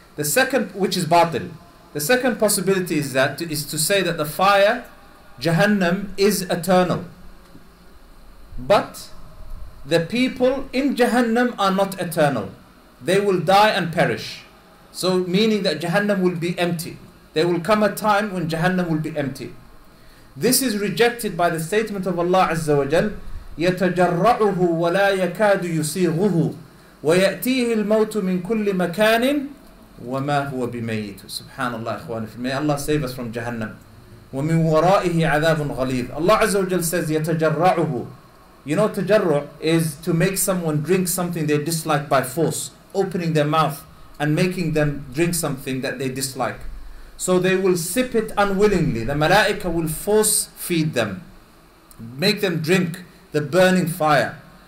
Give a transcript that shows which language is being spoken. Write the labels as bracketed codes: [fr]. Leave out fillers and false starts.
[en] The second, which is batil, the second possibility is that is to say that the fire, Jahannam, is eternal, but the people in Jahannam are not eternal. They will die and perish. So meaning that Jahannam will be empty. There will come a time when Jahannam will be empty. This is rejected by the statement of Allah Azza wa Jal [ar] يتجرعه ولا يكاد يسيغه ويأتيه الموت من كل مكان وما هو بميت. سبحان الله إخواني. [en] May Allah save us from Jahannam. [ar] ومن ورائه عذاب غليظ. [en] Allah [ar] عز وجل [en] says يتجرعه. You know, تجرع is to make someone drink something they dislike by force, opening their mouth and making them drink something that they dislike. So they will sip it unwillingly. The malaika will force feed them, make them drink the burning fire.